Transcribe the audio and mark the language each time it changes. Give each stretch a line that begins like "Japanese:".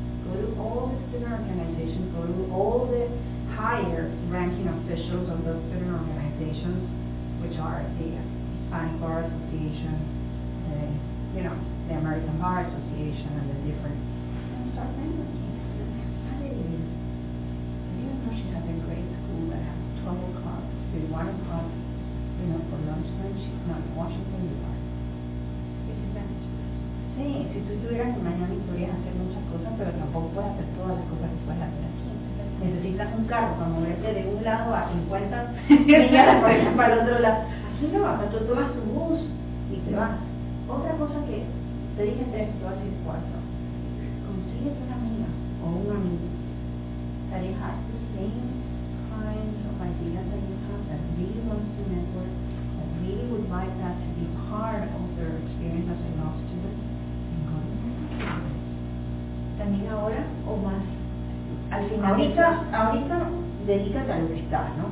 English: Go to all the student organizations. Go to all the higher ranking officials of those student organizations, which are the Hispanic Bar Association, the American Bar Association, and the different. And start networking. Even though she has a great school that has 12 o'clock to 1 o'clock, for lunchtime, she's not in Washington, you are.
Spanish: Sí, si tú estuvieras en Miami podrías hacer muchas cosas, pero tampoco puedes hacer todas las cosas que puedes hacer aquí. Necesitas un carro para moverte de un lado a 50 millas por ejemplo, para el otro lado. Aquí no, acá tú tomas tu bus y te vas. Otra cosa que te dije tres, te voy a decir cuatro. Consíguete una amiga o un amigo.
English: That it has the same kinds of ideas that you have, that really wants to network, that really would like that to be part of their experience as a law student.
Spanish: También ahora o más al final ahorita dedícate a lo que estás, ¿no?